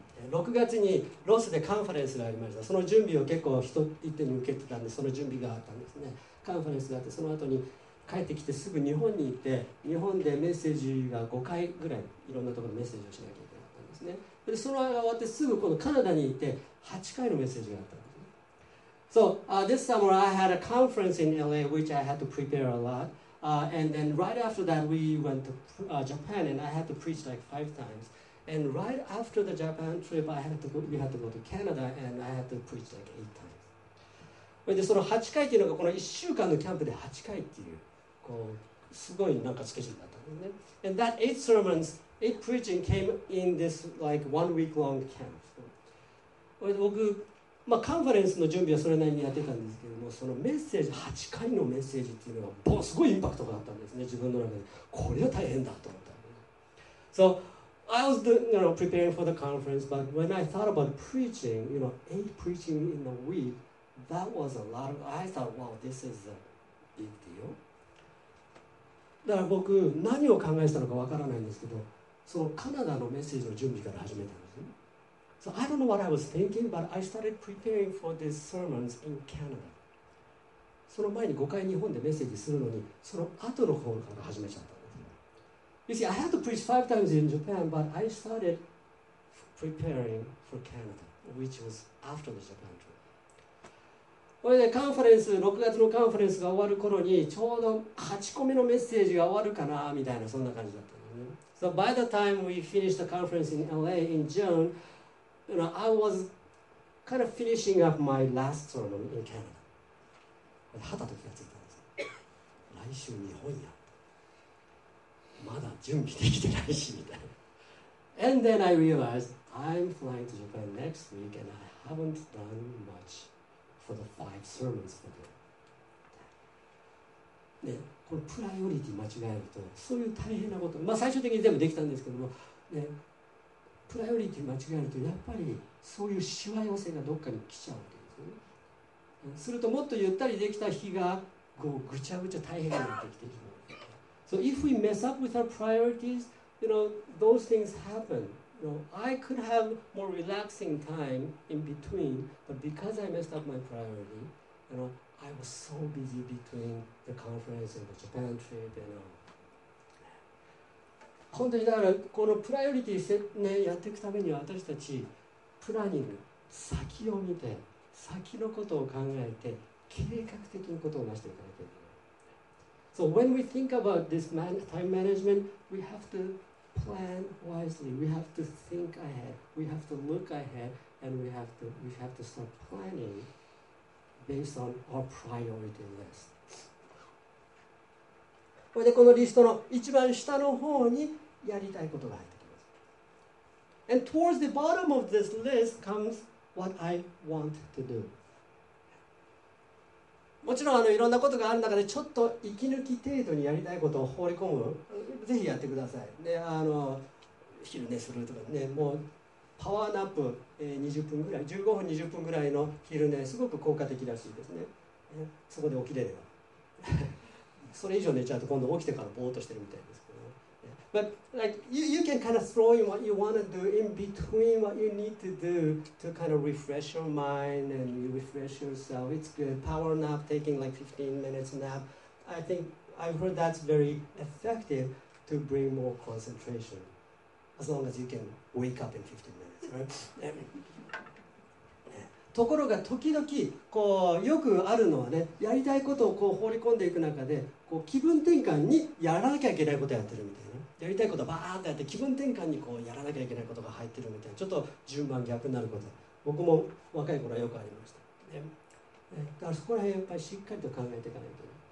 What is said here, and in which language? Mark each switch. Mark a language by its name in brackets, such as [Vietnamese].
[Japanese] 6月にロスでカンファレンスがありました。その準備を結構一点に受けてたんで、その準備があったんですね。カンファレンスがあって、その後に帰ってきてすぐ日本に行って、日本でメッセージが5回ぐらい、いろんなところでメッセージをしなきゃいけない。でその間終わってすぐ今度カナダに行って8回のメッセージがあったんです。 [English] So, this summer I had a conference in LA which I had to prepare a lot. And then right after that we went to Japan and I had to preach like 5 times. And right after the Japan trip I had to go, we had to go to Canada and I had to preach like 8 times. [Japanese] でその8回っていうのがこの1週間のキャンプで8回っていう、こうすごいなんかスケジュールだったんですね。 [English] And that 8 sermons,Eight preaching came in this like one week long camp. [Japanese] 僕、まあ、カンファレンスの準備はそれなりにやってたんですけども、そのメッセージ、8回のメッセージっていうのがボンすごいインパクトがあったんですね、自分の中で。これは大変だと思った。 [English] So, I was the, you know, preparing for the conference, but when I thought about preaching, you know, eight preaching in a week, that was a lot of, I thought, wow, this is a big deal. [Japanese] だから僕何を考えてたのかわからないんですけど、そのカナダのメッセージの準備から始めたんですね。 [English] So I don't know what I was thinking, but I started preparing for these sermons in Canada. [Japanese] その前に5回日本でメッセージするのに、その後の方から始めちゃったんです。 [English] You see, I had to preach five times in Japan, but I started preparing for Canada, which was after the Japan trip. [Japanese] これでカンファレンス、6月のカンファレンスが終わる頃にちょうど8個目のメッセージが終わるかなみたいな、そんな感じだったんですね。 [English] So by the time we finished the conference in LA in June, you know, I was kind of finishing up my last sermon in Canada. [Japanese] はたと気がついたんです。来週日本や。まだ準備できてないしみたいな。 [English] And then I realized I'm flying to Japan next week and I haven't done much. For the five sermons for the [Japanese] ね、このプライオリティ間違えると、そういう大変なこと、まあ最終的に全部できたんですけども、ね、プライオリティ間違えると、やっぱりそういうしわ寄せがどっかに来ちゃうわけですね。するともっとゆったりできた日が、こうぐちゃぐちゃ大変になってきてしまう。 [English] So if we mess up with our priorities, you know, those things happen. You know, I could have more relaxing time in between, but because I messed up my priority, you know, I was so busy between the conference and the Japan trip, you know. [Japanese] 本当にだからこのプライオリティセットね、やっていくためには私たちプランニング、先を見て、先のことを考えて、計画的にことを成していかなきゃいけない。 [English] So when we think about this time management, we have toPlan wisely. We have to think ahead. We have to look ahead, and we have to start planning based on our priority list. [Japanese] これでこのリストの一番下の方にやりたいことが入ってきます。 [English] And towards the bottom of this list comes what I want to do. [Japanese] もちろんいろんなことがある中でちょっと息抜き程度にやりたいことを放り込む、ぜひやってください。で、昼寝するとかね、もうパワーナップ20分ぐらい、15分20分ぐらいの昼寝、すごく効果的らしいですね。そこで起きれれば。それ以上寝ちゃうと今度起きてからぼーっとしてるみたいですけど。 [English] But like, you can kind of throw in what you want to do in between what you need to do to kind of refresh your mind and you refresh yourself. It's good. Power nap, taking like 15 minutes nap. I think I've heard that's very effective to bring more concentration. As long as you can wake up in 15 minutes, right? [Japanese] ところが時々こうよくあるのはね、やりたいことをこう放り込んでいく中でこう気分転換にやらなきゃいけないことをやってるみたいな。やりたいことをバーッとやって気分転換にこうやらなきゃいけないことが入ってるみたいな、ちょっと順番逆になること、僕も若い頃はよくありました、ね、だからそこら辺やっぱりしっかりと考えていかないと、ね、